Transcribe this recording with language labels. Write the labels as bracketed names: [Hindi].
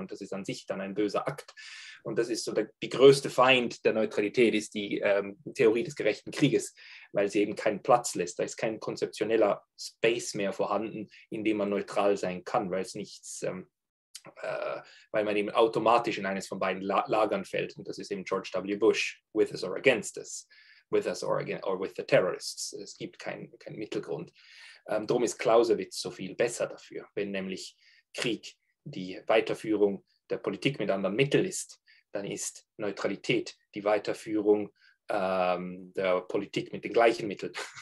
[German] Und das ist an sich dann ein böser Akt. Und das ist so die größte Feind der Neutralität, ist die Theorie des gerechten Krieges, weil sie eben keinen Platz lässt. Da ist kein konzeptioneller Space mehr vorhanden, in dem man neutral sein kann, weil es nichts... weil man eben automatisch in eines von beiden Lagern fällt. Und das ist eben George W. [English] Bush, with us or against us, with us or with the terrorists. [German] Es gibt keinen Mittelgrund. Drum ist Clausewitz so viel besser dafür. Wenn nämlich Krieg die Weiterführung der Politik mit anderen Mitteln ist, dann ist Neutralität die Weiterführung der Politik mit den gleichen Mitteln.